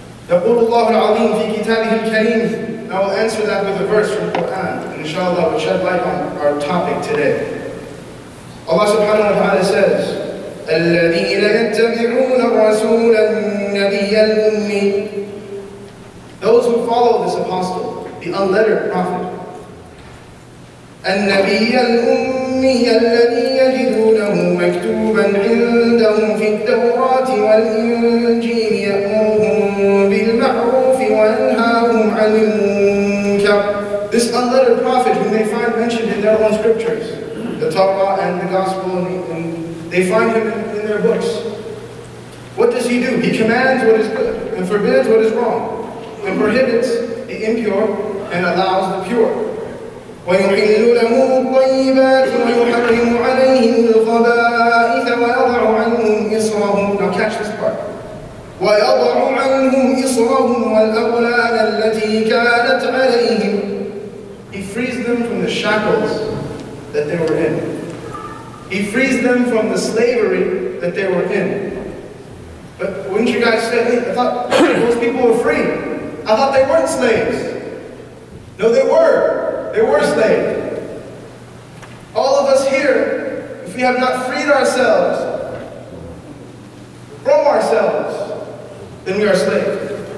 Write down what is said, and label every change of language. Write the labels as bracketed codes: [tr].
[ar] يقول الله العظيم في كتابه الكريم. [en] I will answer that with a verse from Quran, and inshallah will shed light on our topic today. Allah subhanahu wa ta'ala says, [ar] الَّذِينَ يَتَّبِعُونَ الرَّسُولَ النَّبِيَّ الْأُمِّيِّ. [en] Those who follow this apostle, the unlettered prophet. [ar] النبي الأمي الذي يجدونه مكتوبا عندهم في التوراة والإنجيل يأمرهم بالمعروف وينهاهم عن المنكر. [en] This unlettered prophet whom they find mentioned in their own scriptures, the Torah and the Gospel, and they find him in their books. What does he do? He commands what is good and forbids what is wrong, and prohibits the impure and allows the pure. [ar] ويحل له الطيبات ويحرم عليهم الخبائث ويضع عنهم إصرهم. [en] Now catch this part. [ar] ويضع عنهم إصرهم والأغلال التي كانت عليهم. [en] He frees them from the shackles that they were in. He frees them from the slavery that they were in. But wouldn't you guys say, hey, I thought those people were free. I thought they weren't slaves. No, they were. They were slaves. All of us here, if we have not freed ourselves from ourselves, then we are slaves.